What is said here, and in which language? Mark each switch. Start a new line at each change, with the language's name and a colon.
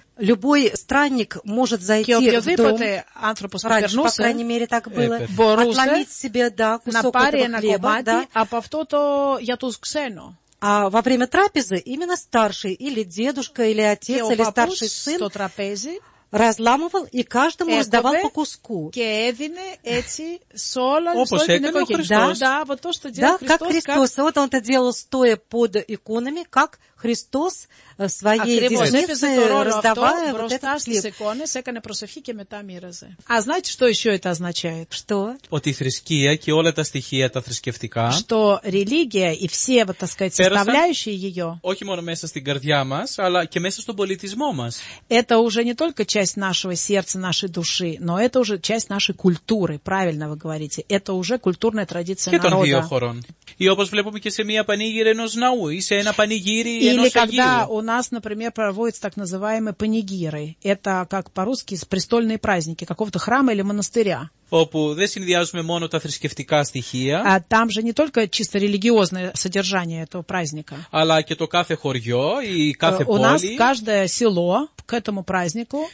Russian: Любой странник может зайти в дом, раньше, по крайней мере, так было, отломить себе да, кусок этого хлеба. Да. А повторно я тут ксено. А во время трапезы именно старший, или дедушка, или отец, или старший сын, разламывал и каждому раздавал по куску.
Greek: Και έδινε έτσι σε όλα τις οικογένειες.
Russian: Да, вот то, что делал Христос. Да, как Христос. Вот он это делал стоя под иконами, как Христос своей десницей раздавая вот этот хлеб.
Greek: Иконес, έκανε προσευχή και μετά μοίραζε.
Russian: А знаете, что еще это означает? Что?
Greek: Ότι η θρησκεία και όλα τα στοιχεία τα θρησκευτικά.
Russian: Что религия и все, вот так сказать, составляющие ее.
Greek: Όχι μόνο μέσα στην καρδιά μας, αλλά και μέσα στον πολιτισμό μας.
Russian: Это уже не только часть нашего сердца, нашей души, но это уже часть нашей культуры. Правильно вы говорите. Это уже культурная традиция народа.
Greek: Και των δύο χωρών. Ή όπως βλέπουμε και σε μια πανήγυρα ενός ναού ή σε ένα πανηγύρι ενός
Russian: Αγίου. Или когда у нас, например, проводятся так называемые панигиры. Это как по-русски престольные праздники какого-то храма или монастыря.
Greek: Όπου δεν συνδυάζουμε μόνο τα θρησκευτικά στοιχεία.
Russian: А там же не только чисто религиозное содержание этого праздника.
Greek: Αλλά και το κάθε χωριό ή κάθε
Russian: πόλη. У нас каждое село к этому празднику